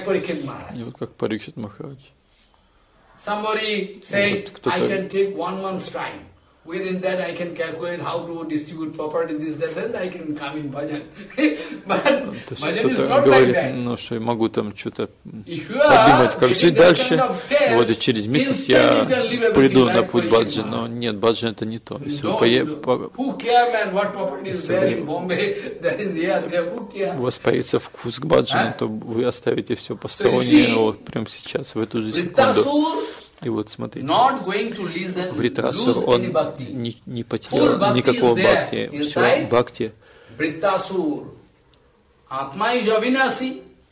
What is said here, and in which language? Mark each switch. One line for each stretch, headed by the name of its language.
Russian: И вот как Парикшит Махарадж.
English: Somebody say, I can take 1 month's time. Within that I can calculate how to distribute property this that then I can come in bhajan. But bhajan is not
Russian: говорит,
English: like that.
Russian: Ну, что я могу там что-то подумать, как жить дальше.
English: Kind of test,
Russian: вот через месяц я приду на путь бхаджан, но нет, бхаджан это не то. Если вы
English: who care man what property is there in Bombay, that is there, who care?
Russian: У вас появится вкус к бхаджану, то вы оставите все постороннее вот прямо сейчас, в эту же секунду. И вот смотрите, Вритасур, он не потерял никакого бхакти, все бхакти. Вритасур, атма из авинаси,